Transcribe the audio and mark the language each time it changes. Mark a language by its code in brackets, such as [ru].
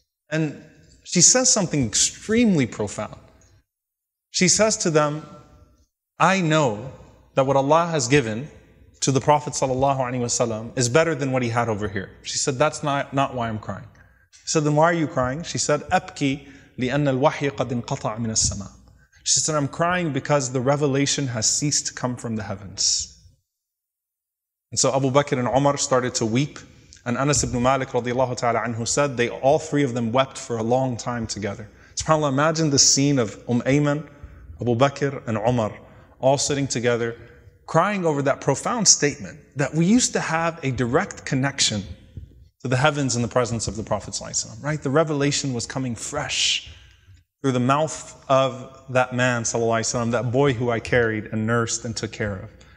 [en] And she says something extremely profound. She says to them, I know that what Allah has given to the Prophet ﷺ is better than what he had over here. She said, that's not why I'm crying. She said, then why are you crying? She said, [ar] أَبْكِي لِأَنَّ الْوَحْيَ قَدْ انْقَطَعَ مِنَ السَّمَاءِ. [en] She said, I'm crying because the revelation has ceased to come from the heavens. And so Abu Bakr and Umar started to weep. And Anas ibn Malik radiallahu ta'ala anhu said, they all three of them wept for a long time together. SubhanAllah, imagine the scene of Ayman, Abu Bakr and Umar all sitting together, crying over that profound statement that we used to have a direct connection to the heavens in the presence of the Prophet ﷺ, right? The revelation was coming fresh through the mouth of that man, ﷺ, that boy who I carried and nursed and took care of.